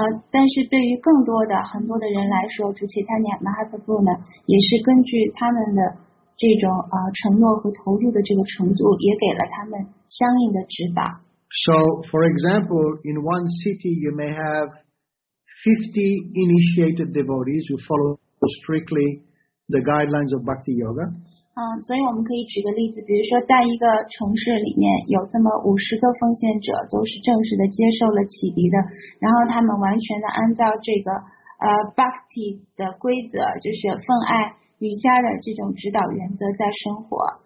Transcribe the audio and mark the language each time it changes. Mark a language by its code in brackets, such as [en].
[zh] 但是对于更多的很多的人来说，主持参加马哈帕布呢，也是根据他们的这种承诺和投入的这个程度，也给了他们相应的指导。 [en] So, for example, in one city, you may have 50 initiated devotees who follow strictly. The guidelines of Bhakti Yoga. [zh] 所以我们可以举个例子，比如说在一个城市里面有这么50个奉献者，都是正式的接受了启迪的，然后他们完全的按照这个Bhakti 的规则，就是奉爱瑜伽的这种指导原则在生活。